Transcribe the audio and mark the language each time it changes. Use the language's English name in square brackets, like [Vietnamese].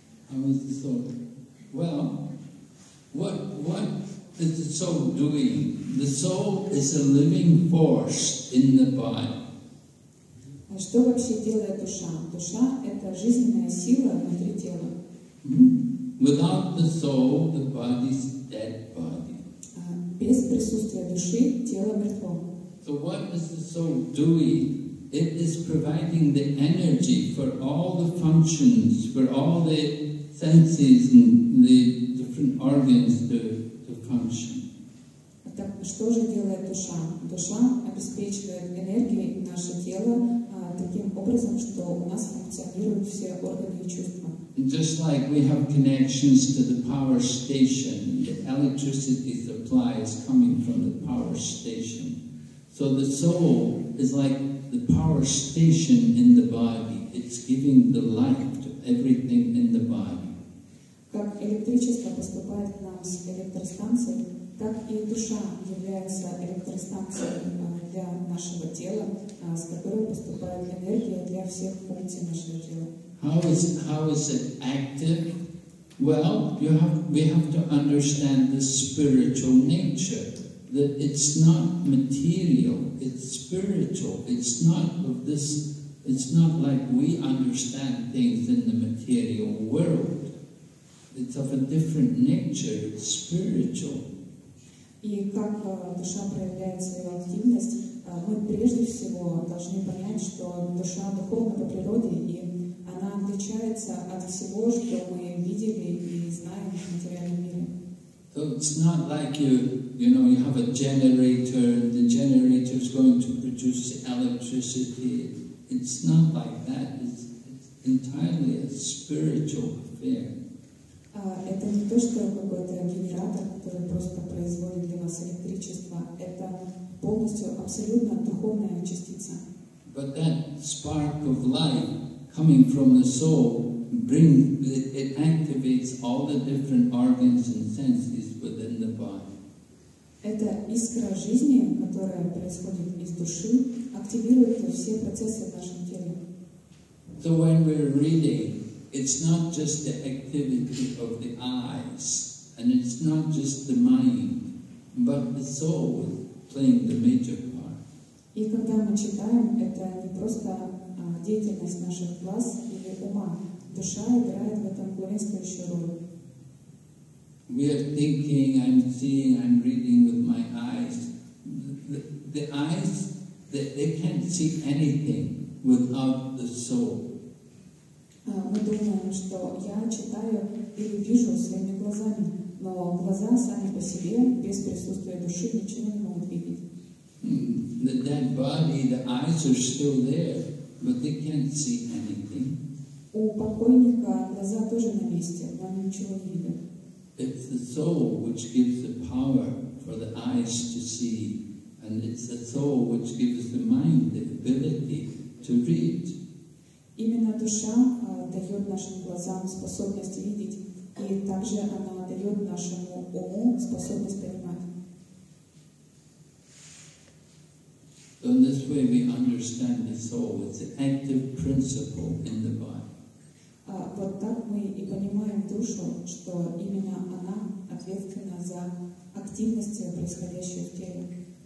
[English] How is the soul? Well, what is the soul doing? The soul is a living force in the body. [Russian] Что вообще делает душа? Душа — это жизненная сила внутри тела. [English] Without the soul, the body is dead body. [Russian] Без присутствия души тело мертво. [English] So what is the soul doing? It is providing the energy for all the functions, for all the senses and the different organs to function. [Russian] Так что же делает душа? Душа обеспечивает энергией наше тело таким образом, что у нас функционируют все органы и чувства. [English] Just like we have connections to the power station, the electricity supply is coming from the power station. So the soul is like the power station in the body. It's giving the life to everything in the body. [Russian] Как электричество поступает к нам с электростанции, так и душа является электростанцией для нашего тела, с которой поступает энергия для всех функций нашего тела. [English] How is it active? Well, we have to understand the spiritual nature, that it's not material, it's spiritual, it's not of this, it's not like we understand things in the material world. It's of a different nature, it's spiritual. [Russian] И как душа проявляет свою активность, мы прежде всего должны понять, что душа духовна по природе, и она отличается от всего, что мы видели и знаем в материальном мире. [English] So it's not like you know, you have a generator, and the generator is going to produce electricity. It's not like that. It's entirely a spiritual affair. [Russian] Это не то, что какой-то генератор, который просто производит для вас электричество. Это полностью, абсолютно духовная частица. [English] But that spark of light coming from the soul it activates all the different organs and senses within the body. [Russian] Эта искра жизни, которая происходит из души, активирует все процессы в нашем теле. [English] So when we're reading, it's not just the activity of the eyes, and it's not just the mind, but the soul is playing the major part. [Russian] И когда мы читаем, это не просто деятельность наших глаз или ума. Душа играет в этом главенствующую роль. [English] We are thinking, I'm seeing, I'm reading with my eyes. The eyes, they can't see anything without the soul. [Russian] Мы думаем, что я читаю или вижу своими глазами, но глаза сами по себе, без присутствия души, ничего не могут видеть. [English] The dead body, the eyes are still there, but they can't see anything. [Russian] У покойника глаза тоже на месте, но ничего не видят. [English] It's the soul which gives the power for the eyes to see, and it's the soul which gives the mind the ability to read. [Russian] Именно душа дает нашим глазам способность видеть, и также она дает нашему уму способность понимать. [English] So in this way we understand the soul, it's an active principle in the body. [Russian] Вот так мы и понимаем душу, что именно она ответственна за активности, происходящие в теле.